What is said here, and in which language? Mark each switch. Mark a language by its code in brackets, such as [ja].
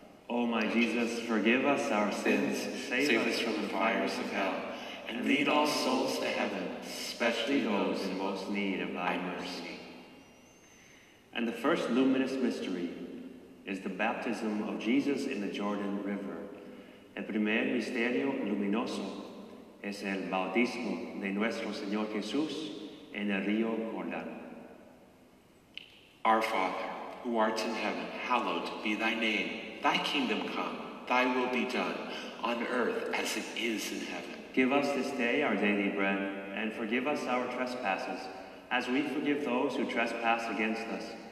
[en] O my Jesus, forgive us our sins, save us from the fires of hell, and lead all souls to heaven, especially those in most need of thy mercy. And the first luminous mystery is the baptism of Jesus in the Jordan River. [es] El primer misterio luminoso es el bautismo de nuestro Señor Jesús en el río Jordán. [en] Our Father, who art in heaven, hallowed be thy name. Thy kingdom come, thy will be done, on earth as it is in heaven. Give us this day our daily bread, and forgive us our trespasses, as we forgive those who trespass against us.